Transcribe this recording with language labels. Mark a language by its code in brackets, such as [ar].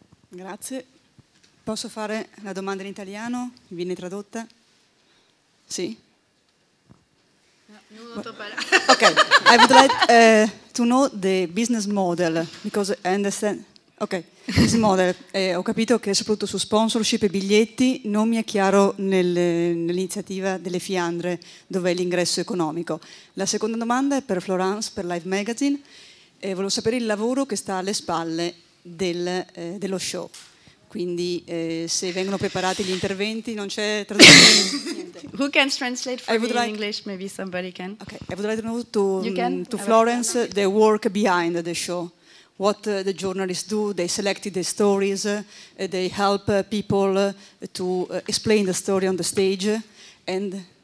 [it] Grazie. Posso fare la domanda in italiano? Viene tradotta? Sì? No, non ho parlato. [en] Ok, I would like to know the business model, because I understand... Ok, business model. [it] Ho capito che è soprattutto su sponsorship e biglietti, non mi è chiaro nell'iniziativa delle Fiandre, dove è l'ingresso economico. La seconda domanda è per Florence, per Life Magazine. Volevo sapere il lavoro che sta alle spalle dello show. Quindi se vengono preparati gli interventi non c'è traduzione. [en] Who can translate for me in English? Maybe somebody can. Okay, I would like to know to Florence the work behind the show. What the journalists do? They select the stories. They help people to explain the story on the stage. And